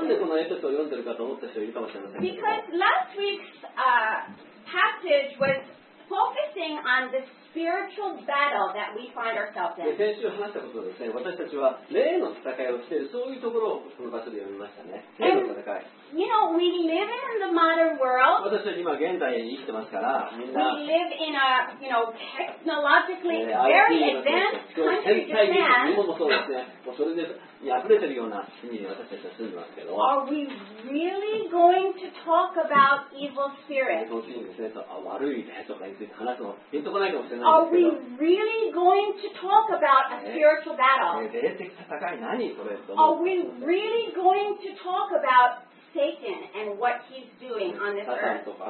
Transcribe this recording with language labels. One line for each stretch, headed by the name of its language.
English: Because last week's passage was focusing on the spiritual battle that we find ourselves in.
Japanese: 先週話したことですね、私たちは霊の戦いをしている、そういうところをこの場所で読みましたね。霊の戦い。
English: You know, we live in the modern world.
Japanese: 私たちは今現代に生きてますから、みんな。
English: We live in a, you know, technologically very advanced country, Japan.
Japanese: 日本もそうですね。もうそれで溢れてるような国に私たちは住んでますけど。
English: Are we really going to talk about evil spirits?
Japanese: 本当にですね、悪い霊とかについて話すのピンとこないかもしれないですけど。
English: Are we really going to talk about a spiritual battle?
Japanese: 霊的戦い何それ
English: Are we really going to talk aboutSatan and what he's doing on this earth.